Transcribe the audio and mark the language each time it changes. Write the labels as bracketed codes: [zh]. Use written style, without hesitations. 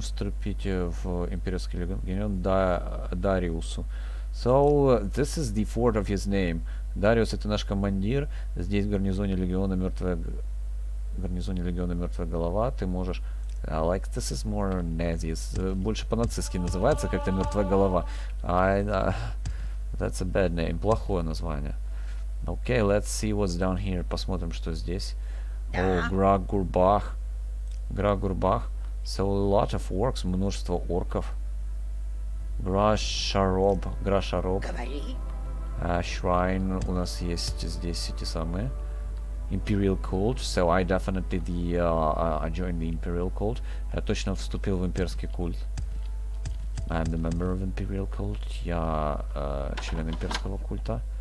[ru] Вступить в Имперский легион. Дариусу. [en] So, this is the fort of his name. [ru] Дариус — это наш командир. Здесь в гарнизоне легиона мертвая... гарнизоне легиона мертвая голова. Ты можешь... [en] like this is more Nazis. [ru] Больше по-нацистски называется, как-то мертвая голова. [en] That's a bad name. [ru] Плохое название. [en] Okay, let's see what's down here. [ru] Посмотрим, что здесь. Oh, Грагурбах. Грагурбах. [en] So a lot of orcs, [ru] множество орков. [en] Грашароб. Грашароб. Shrine. [ru] У нас есть здесь эти самые. [en] Imperial cult, so I definitely I joined the Imperial cult. [ru] Я точно вступил в имперский культ. [en] I'm the member of Imperial cult. [ru] Я член имперского культа.